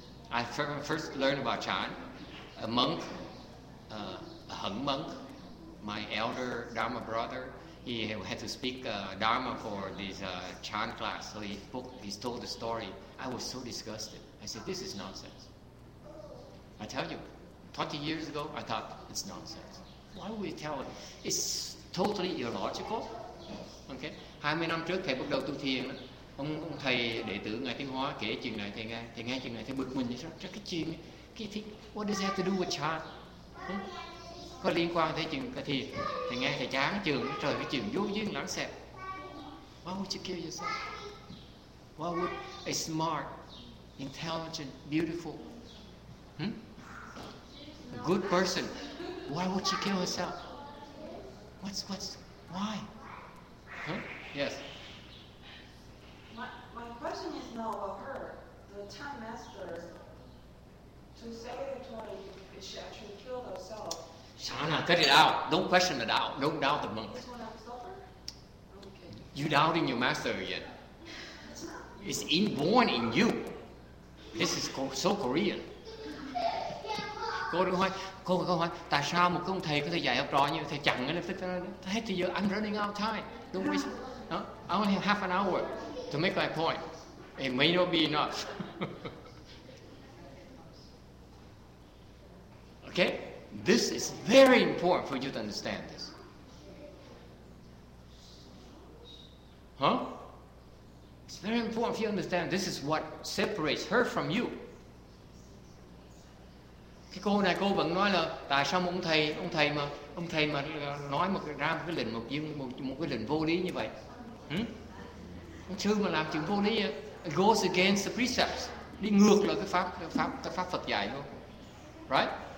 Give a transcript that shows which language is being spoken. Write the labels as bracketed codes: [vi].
[en] I first learned about Chan. A monk, a Hung monk, my elder Dharma brother, he had to speak Dharma for this Chan class. So he told the story. I was so disgusted. I said, this is nonsense. I tell you, 20 years ago, I thought, it's nonsense. Why would you tell it? It's totally illogical. Okay? [vi] 20 năm trước, thầy bắt đầu tu thiền. Ông thầy đệ tử Ngài Thiên Hóa kể chuyện này, thầy nghe chuyện này, thầy bực mình. Rất cái chuyện này. Cái thì, [en] what does that have to do with Chan? [vi] Có liên quan tới chuyện cái thiền. Thầy nghe thầy chán trường, trời cái chuyện vô duyên lãng xẹp. [en] Why would you kill yourself? Why would a smart, intelligent, beautiful, a good person, why would she kill herself? What's, why? Yes. My question is now about her, the Chan master. To say that she actually killed herself. Shana, cut it out. Don't question the doubt. Don't doubt the monk. Okay. You're doubting your master again. It's inborn in you. This is so Korean. [vi] Cô hỏi, tại sao một ông thầy có thể dạy học trò như thầy chẳng nghe được cái này? Hết thì giờ [en] I'm running out of time. Don't waste. I only have half an hour to make my point. It may not be enough. Okay? This is very important for you to understand this. Huh? It's very important for you to understand this is what separates her from you. [vi] Cái cô này cô vẫn nói là tại sao ông thầy mà nói một ra một cái lệnh một cái lệnh vô lý như vậy. Ông sư mà làm chuyện vô lý [en] goes against the precepts, [vi] đi ngược lại cái pháp Phật dạy luôn. [en] Right?